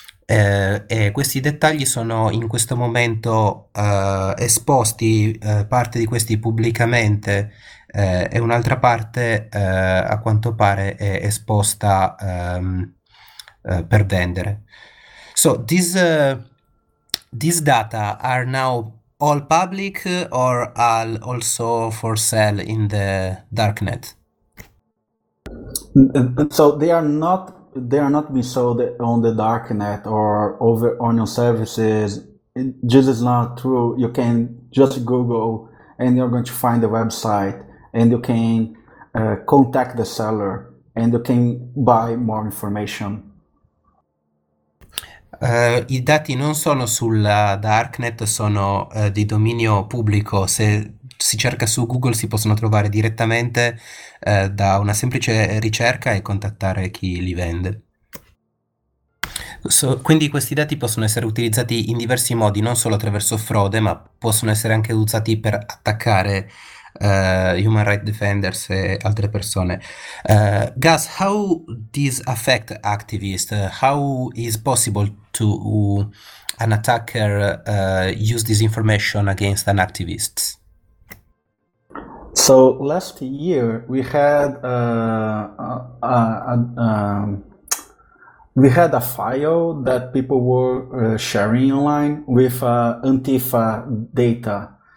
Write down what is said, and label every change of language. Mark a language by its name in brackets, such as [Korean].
[Italian] E questi dettagli sono in questo momento esposti, parte di questi pubblicamente, e un'altra parte, a quanto pare, è esposta per vendere. [English] So, these data are now all public or all also for sale in the darknet? So they are not being sold on the dark net or over on your services. This is not true. You can just Google and you're going to find the website and you can contact the seller and you can buy more information. [Italian] I dati non sono sulla darknet, sono di dominio pubblico. Se si cerca su Google si possono trovare direttamente da una semplice ricerca e contattare chi li vende. Quindi questi dati possono essere utilizzati in diversi modi, non solo attraverso frode, ma possono essere anche usati per attaccare Human Rights Defenders e altre persone. [English] Gus, how this affect activists? How is possible to an attacker use this information against an activist? So last year we had a file that people were sharing online with Antifa data.